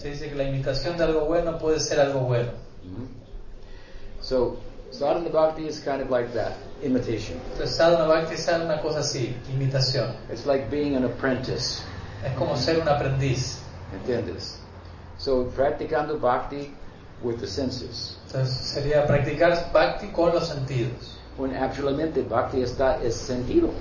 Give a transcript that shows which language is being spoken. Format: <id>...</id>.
<es>Se dice que la imitación de algo bueno puede ser algo bueno. Mm-hmm.</es> <en>So, sadhana bhakti is kind of like that, imitation.</en> <es>Entonces, sadhana bhakti es una cosa así, imitación.</es> <en>It's like being an apprentice.</en> <es>Es como ser un aprendiz. ¿Entiendes?</es> <en>So,</en> <es>practicando</es> <en>bhakti with the senses.</en> <es>Entonces, sería practicar bhakti con los sentidos. Cuando actualmente bhakti está es sentido.</es>